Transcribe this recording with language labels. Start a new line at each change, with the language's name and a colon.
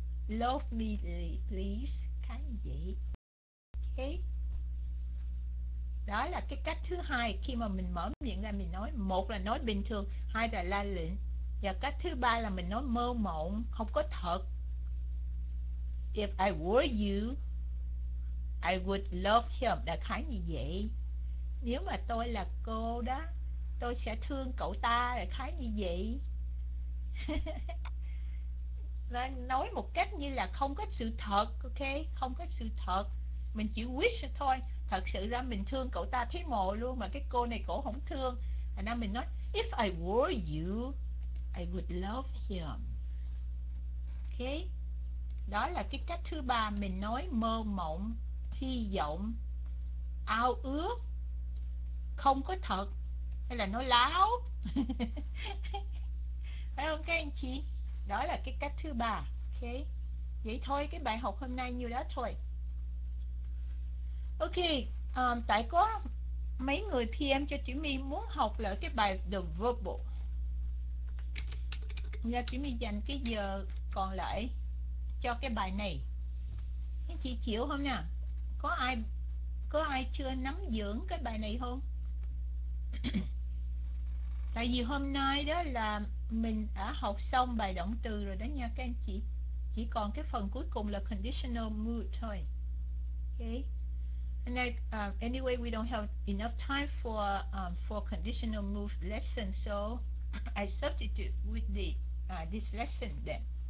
English: Love me, please.
Vietnamese: Khá vậy.
English: Okay.
Vietnamese: Đó là cái cách thứ hai khi mà mình mở miệng ra mình nói. Một là nói bình thường, hai là ra lệnh. Và cách thứ ba là mình nói mơ mộng, không có thật.
English: If I were you, I would love him.
Vietnamese: Đại khái như vậy. Nếu mà tôi là cô đó, tôi sẽ thương cậu ta, đại khái như vậy. Nên nói một cách như là không có sự thật, ok, không có sự thật, mình chỉ wish thôi. Thật sự ra mình thương cậu ta thấy mồ luôn, mà cái cô này cổ không thương. Thành ra mình nói
English: if I were you, I would love him.
Vietnamese: Ok, đó là cái cách thứ ba mình nói mơ mộng, hy vọng, ao ước, không có thật. Hay là nói láo. Phải không các anh chị? Đó là cái cách thứ ba. Okay. Vậy thôi, cái bài học hôm nay nhiêu đó thôi. Ok, tại có mấy người PM cho chị My muốn học lại cái bài The Verbal. Nên chị My dành cái giờ còn lại cho cái bài này. Anh chị chịu không nè? Có ai chưa nắm vững cái bài này không? Tại vì hôm nay đó là mình đã học xong bài động từ rồi đó nha các anh chị. Chỉ còn cái phần cuối cùng là conditional mood thôi.
English: Okay. And anyway, we don't have enough time for conditional mood lesson, so I substitute with the this lesson then.